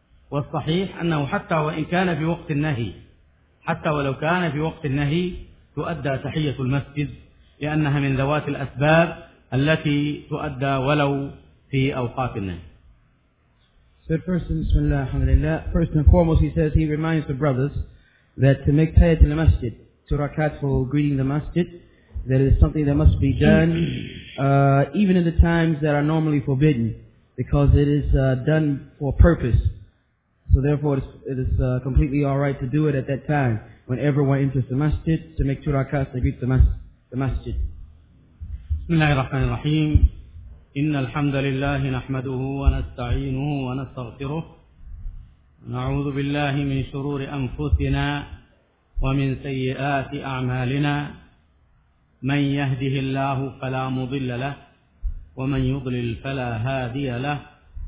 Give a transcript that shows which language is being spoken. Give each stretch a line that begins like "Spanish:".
Arabic: والصحيح أنه حتى وإن كان في وقت النهي، حتى ولو كان في وقت النهي تؤدى تحية المسجد، لأنها من ذوات الأسباب التي تؤدى ولو في أوقات النهي.
English: So first,
Arabic: بسم الله الحمد لله.
English: First and foremost, he says, he reminds the brothers that to make tahiyat in the masjid, to rakat for greeting the masjid, that is something that must be done even in the times that are normally forbidden, because it is done for purpose. So therefore, it is completely all right to do it at that time when everyone enters the masjid to make two rakats to greet the masjid.
Arabic: بسم الله الرحمن الرحيم. إن الحمد لله نحمده ونستعينه ونستغفره. نعوذ بالله من شرور أنفسنا ومن سيئات أعمالنا. من يهده الله فلا مضل له، ومن يضلل فلا هادي له.